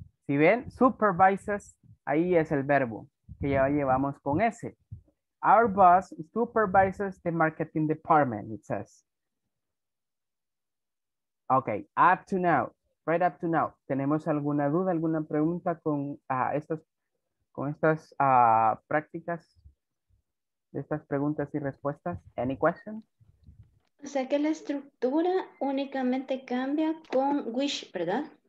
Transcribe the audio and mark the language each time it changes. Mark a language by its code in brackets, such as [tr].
[es] Si ven, supervises, ahí es el verbo que ya llevamos con S. [en] Our boss supervises the marketing department, it says. Okay, up to now, right up to now. [es] ¿Tenemos alguna duda, alguna pregunta con estas prácticas? De estas preguntas y respuestas, [en] any question? [es] O sea que la estructura únicamente cambia con wish, ¿verdad?